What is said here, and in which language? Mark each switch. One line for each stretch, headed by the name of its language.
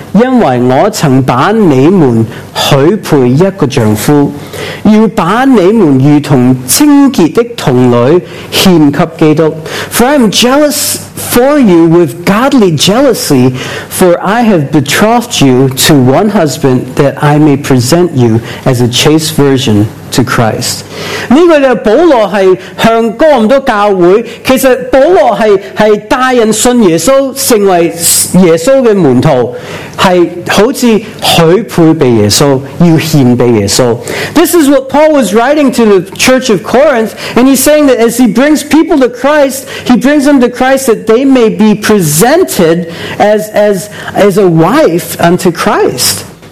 Chinese: 因为我曾把你们许配一个丈夫,要把你们如同清洁的童女献给基督。
English: For I am jealous for you with godly jealousy, for I have betrothed you to one husband, that I may present you as a chaste virgin to Christ.
Chinese: 这个保罗是向哥林多教会,其实保罗是带人信耶稣,成为耶稣的门徒。好像許配被耶穌,要獻被耶穌。
English: This is what Paul was writing to the church of Corinth, and he's saying that as he brings people to Christ, he brings them to Christ that they may be presented as a wife unto Christ.